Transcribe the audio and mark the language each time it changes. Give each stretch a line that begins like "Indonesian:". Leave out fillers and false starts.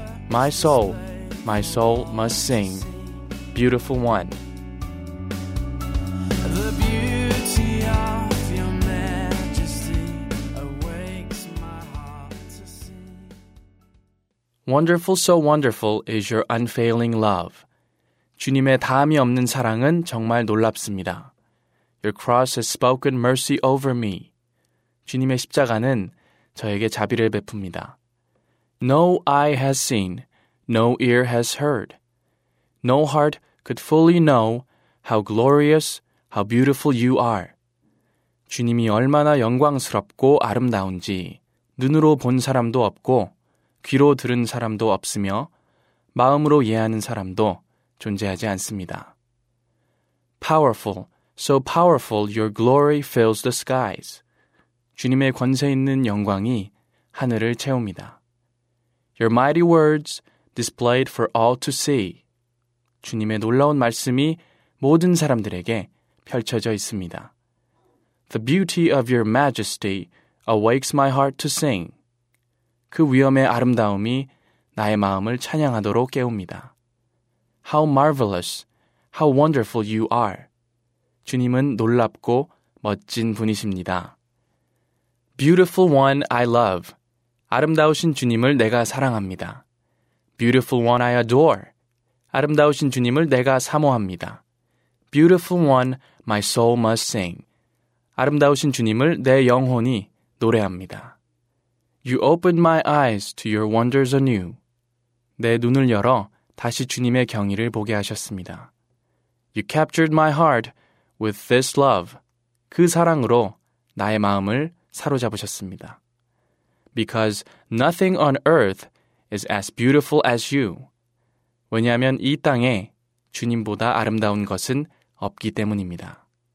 English: My soul must sing. Beautiful one. The beauty of your majesty awakes my heart to sing. Wonderful, so wonderful is your unfailing love.
Korean: 주님의 다함이 없는 사랑은 정말 놀랍습니다.
English: Your cross has spoken mercy over me.
Korean: 주님의 십자가는 저에게 자비를 베풉니다.
English: No eye has seen, no ear has heard. No heart could fully know how glorious, how beautiful you are.
Korean: 주님이 얼마나 영광스럽고 아름다운지 눈으로 본 사람도 없고 귀로 들은 사람도 없으며 마음으로 이해하는 사람도 존재하지 않습니다.
English: Powerful, so powerful your glory fills the skies.
Korean: 주님의 권세 있는 영광이 하늘을 채웁니다.
English: Your mighty words displayed for all to see.
Korean: 주님의 놀라운 말씀이 모든 사람들에게 펼쳐져 있습니다.
English: The beauty of your majesty awakes my heart to sing.
Korean: 그 위엄의 아름다움이 나의 마음을 찬양하도록 깨웁니다.
English: How marvelous, how wonderful you are.
Korean: 주님은 놀랍고 멋진 분이십니다.
English: Beautiful one I love.
Korean: 아름다우신 주님을 내가 사랑합니다.
English: Beautiful one I adore.
Korean: 아름다우신 주님을 내가 사모합니다.
English: Beautiful one my soul must sing.
Korean: 아름다우신 주님을 내 영혼이 노래합니다.
English: You opened my eyes to your wonders anew.
Korean: 내 눈을 열어 다시 주님의 경이를 보게 하셨습니다.
English: You captured my heart with this love.
Korean: 그 사랑으로 나의 마음을 사로잡으셨습니다.
English: Because nothing on earth is as beautiful as you.
Korean: 왜냐하면 이 땅에 주님보다 아름다운 것은 없기 때문입니다.